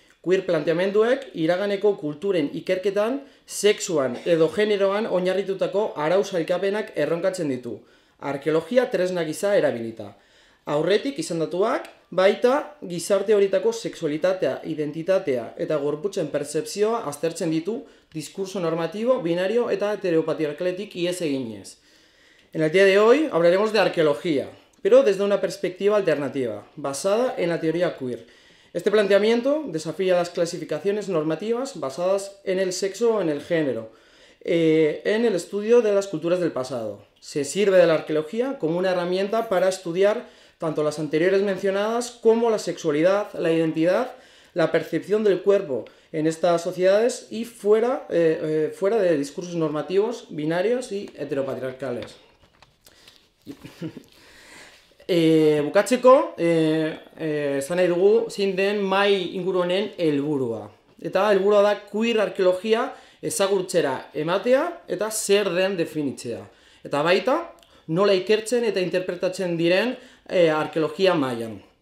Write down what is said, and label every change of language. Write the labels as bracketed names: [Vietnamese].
[Basque] Queer planteamenduek iraganeko kulturen ikerketan, sexuan edo generoan oinarritutako arau sailkapenak erronkatzen ditu. Arkeologia tresna gisa erabilita. Aurretik izandatuak baita gizarte horietako sexualitatea, identitatea eta gorputzen pertzepzioa aztertzen ditu diskurso normatibo, binario eta heteropatriarkaletik ihes eginez. [Spanish] En el día de hoy hablaremos de arqueología, pero desde una perspectiva alternativa, basada en la teoría queer. Este planteamiento desafía las clasificaciones normativas basadas en el sexo o en el género, en el estudio de las culturas del pasado. Se sirve de la arqueología como una herramienta para estudiar tanto las anteriores mencionadas como la sexualidad, la identidad, la percepción del cuerpo en estas sociedades y fuera de discursos normativos, binarios y heteropatriarcales. [Basque] Bukatzeko, esan nahi dugu zein den mai inguru honen helburua. Eta helburua da queer arkeologia ezagutzera ematea eta zer den definitzea. Eta baita, nola ikertzen eta interpretatzen diren arkeologia mailan.